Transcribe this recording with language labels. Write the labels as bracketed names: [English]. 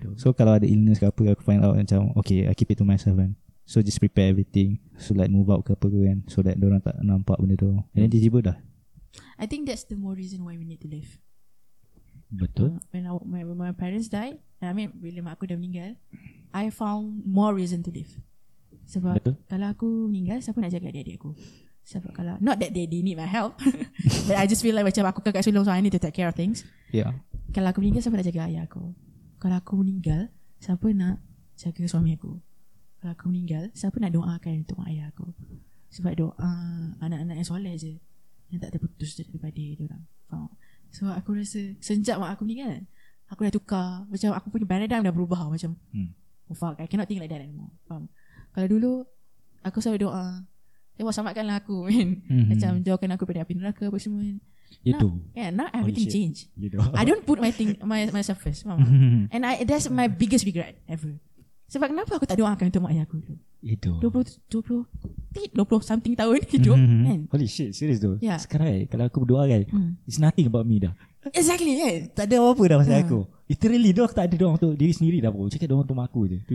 [English] so [Malay] kalau ada [English] illness [Malay] ke apa, aku [English] find out [Malay] macam [English] okay, I keep it to myself [Malay] kan. [English] So just prepare everything, so like move out [Malay] ke apa kan, [English] so that [Malay] orang tak nampak benda tu. [English] And then [Malay] tiba-tiba dah. [English] I think that's the more reason why we need to live. [Malay] Betul. [English] When my parents died, I mean [Malay] bila mak aku dah meninggal, [English] I found more reason to live. [Malay] Sebab kalau aku meninggal, siapa nak jaga adik-adik aku? Sebab kalau [English] not that they need my help, but I just feel like [Malay] macam aku kakak sulung, [English] so I need to take care of things. Yeah. [Malay] Kalau aku meninggal, siapa nak jaga ayah aku? Kalau aku meninggal, siapa nak jaga suami aku? Kalau aku meninggal, siapa nak doakan untuk mak ayah aku? Sebab doa anak-anak yang soleh je yang tak terputus daripada diorang. Faham? So aku rasa sejak mak aku meninggal, aku dah tukar. Macam aku punya paradigm dah berubah. Macam [English] oh fuck, I cannot think like that anymore. [Malay] Faham? Kalau dulu aku selalu doa, tengok selamatkanlah aku kan. Macam jauhkan aku dari api neraka apa semua. [English] You now, do. Yeah, now everything change. You do. I don't put myself first. Mama. And that's my biggest regret ever. [Malay] Sebab kenapa aku tak doakan untuk mak ayah aku dulu? [English] You do. 20 something [Malay] tahun hidup kan. [English] Holy shit, serious tu. Yeah. [Malay] Sekarang eh, kalau aku berdoa kan, [English] it's nothing about me [Malay] dah. [English] Exactly kan. [Malay] Tak ada apa-apa dah pasal aku. Literally doa, aku tak ada doa untuk diri sendiri dah pun. Cakap doa untuk mak aku je.